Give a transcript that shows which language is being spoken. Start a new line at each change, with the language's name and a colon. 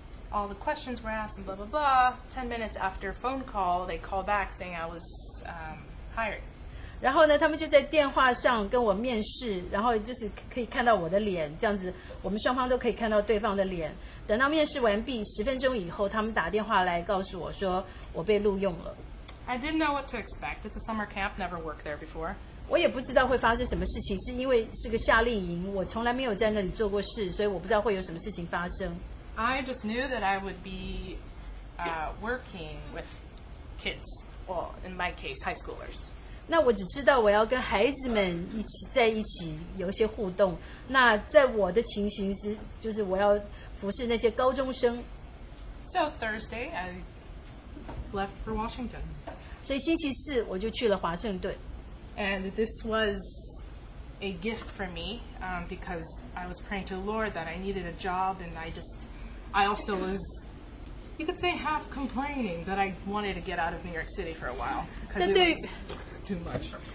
English: All the questions were asked and blah blah blah. 10 minutes after phone call, they called back saying I was hired.
Chinese: 然后呢，他们就在电话上跟我面试，然后就是可以看到我的脸，这样子我们双方都可以看到对方的脸。等到面试完毕，十分钟以后，他们打电话来告诉我说我被录用了。
English: I didn't know what to expect. It's a summer camp. Never worked there before.
Chinese: 我也不知道会发生什么事情，是因为是个夏令营，我从来没有在那里做过事，所以我不知道会有什么事情发生。
English: I just knew that I would be working with kids. well, in my case, high schoolers.
Chinese: 那我只知道我要跟孩子们一起在一起有一些互动。那在我的情形是，就是我要服侍那些高中生。
English: So Thursday, I left for Washington.
Chinese: 所以星期四我就去了华盛顿。
English: And this was a gift for me, because I was praying to the Lord that I needed a job, and I also was, you could say, half complaining that I wanted to get out of New York City for a while, because it was too much.